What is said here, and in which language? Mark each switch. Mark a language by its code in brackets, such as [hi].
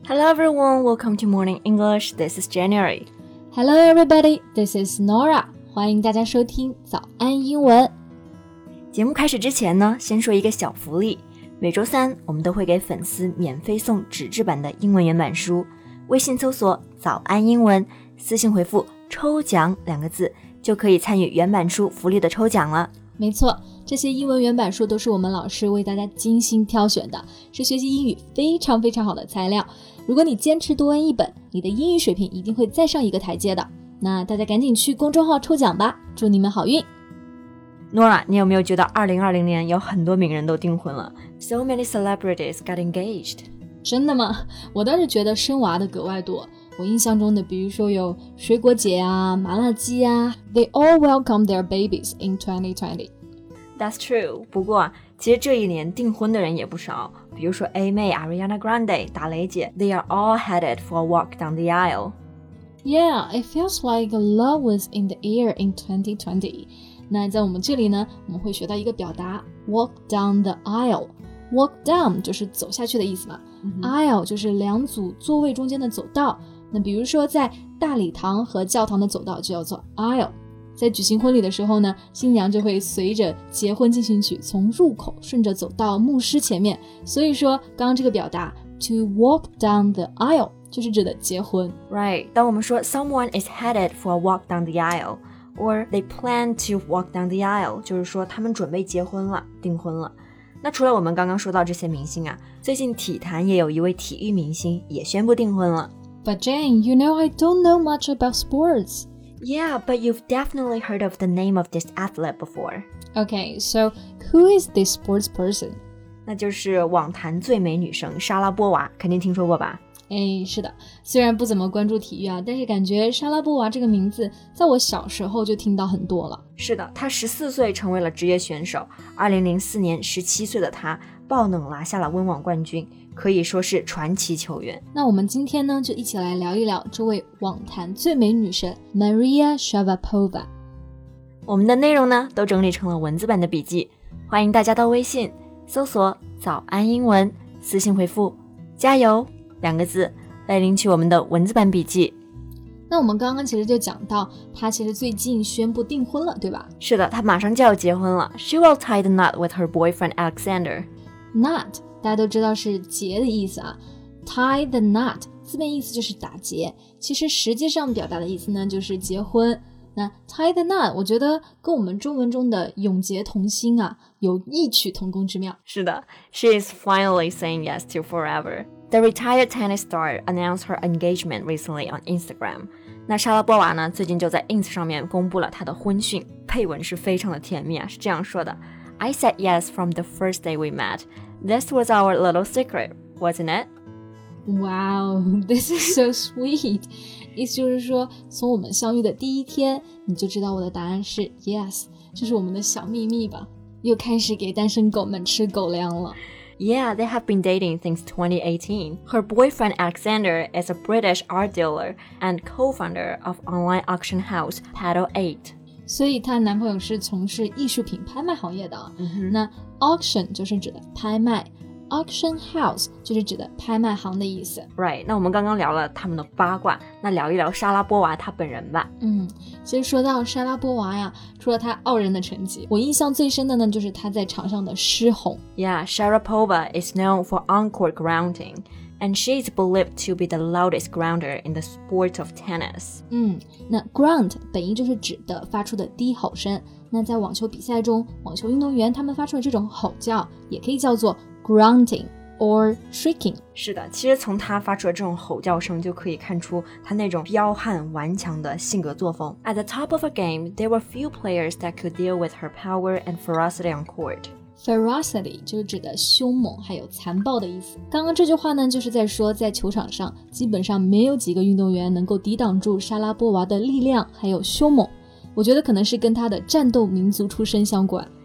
[en] everyone, welcome to Morning English. This is January. Hello everybody, this is Nora. [zh] 欢迎大家收听早安英文。节目开始之前呢，先说一个小福利。每周三我们都会给粉丝免费送纸质版的英文原版书。微信搜索早安英文，私信回复抽奖两个字，就可以参与原版书福利的抽奖了。没错，这些英文原版书都是我们老师为大家精心挑选的，是学习英语非常非常好的材料。如果你坚持多恩一本，你的英语水平一定会再上一个台阶的。那大家赶紧去公众号抽奖吧，祝你们好运。 Nora, 你有没有觉得2020年有很多名人都订婚了？ [en] So many celebrities got engaged. [zh] 真的吗？我倒是觉得生娃的格外多。我印象中的比如说有水果姐啊，麻辣鸡啊。 [en] They all welcomed their babies in 2020. That's true. [zh] 不过其实这一年订婚的人也不少，比如说 A 妹 Ariana Grande 打雷姐， [en] They are all headed for a walk down the aisle. Yeah, it feels like love was in the air in 2020. [zh] 那在我们这里呢，我们会学到一个表达 walk down the aisle. Walk down 就是走下去的意思嘛、mm-hmm. aisle 就是两组座位中间的走道，那比如说在大礼堂和教堂的走道就叫做 aisle。在举行婚礼的时候呢，新娘就会随着结婚进行曲从入口顺着走到牧师前面，所以说刚刚这个表达 to walk down the aisle 就是指的结婚。 [en] Right, [zh] 当我们说 [en] someone is headed for a walk down the aisle or they plan to walk down the aisle [zh] 就是说他们准备结婚了，订婚了。那除了我们刚刚说到这些明星啊，最近体坛也有一位体育明星也宣布订婚了。 [en] But Jane, you know I don't know much about sports Yeah, but you've definitely heard of the name of this athlete before. Okay, so who is this sports person? [zh] 那就是网坛最美女生莎拉波娃，肯定听说过吧？哎，是的，虽然不怎么关注体育啊，但是感觉莎拉波娃这个名字在我小时候就听到很多了。是的，她14岁成为了职业选手，2004年17岁的她爆冷拿下了温网冠军，可以说是传奇球员。那我们今天呢，就一起来聊一聊这位网坛最美女神 Maria Sharapova。我们的内容呢，都整理成了文字版的笔记，欢迎大家到微信搜索“早安英文”，私信回复“加油”两个字来领取我们的文字版笔记。那我们刚刚其实就讲到，她其实最近宣布订婚了，对吧？是的，她马上就要结婚了。 [en] She will tie the knot with her boyfriend Alexander. Knot. [zh] 大家都知道是结的意思啊， tie the knot 字面意思就是打结，其实实际上表达的意思呢就是结婚。那 tie the knot 我觉得跟我们中文中的永结同心啊有异曲同工之妙。是的， [en] she is finally saying yes to forever. The retired tennis star announced her engagement recently on Instagram. [zh] 那莎拉波娃呢最近就在 Ins 上面公布了她的婚讯，配文是非常的甜蜜啊，是这样说的， [en] I said yes from the first day we metThis was our little secret, wasn't it? Wow, this is so sweet. [zh] 意思就是说，从我们相遇的第一天，你就知道我的答案是 yes, 这是我们的小秘密吧。又开始给单身狗们吃狗粮了。 [en] Yeah, they have been dating since 2018. Her boyfriend Alexander is a British art dealer and co-founder of online auction house Paddle 8. [zh] 所以她男朋友是从事艺术品拍卖行业的、 mm-hmm. 那 auction 就是指的拍卖， auction house 就是指的拍卖行的意思。 Right, 那我们刚刚聊了他们的八卦，那聊一聊莎拉波娃她本人吧。嗯，其实说到莎拉波娃呀，除了她傲人的成绩，我印象最深的呢就是她在场上的失控。 [en] Yeah, Sharapova is known for on-court grounding, and she is believed to be the loudest grounder in the sport of tennis. [zh] 嗯，那 ground 本意就是指的发出的低吼声，那在网球比赛中，网球运动员他们发出的这种吼叫也可以叫做 grunting or shrieking。是的，其实从他发出的这种吼叫声就可以看出他那种彪悍顽强的性格作风。 At the top of a game, there were few players that could deal with her power and ferocity on court. Ferocity 就是指的凶猛还有残暴的意思。刚刚这句话呢就是在说在球场上基本上没有几个运动员能够抵挡住莎拉波娃的力量还有凶猛，我觉得可能是跟她的战斗民族出身相关。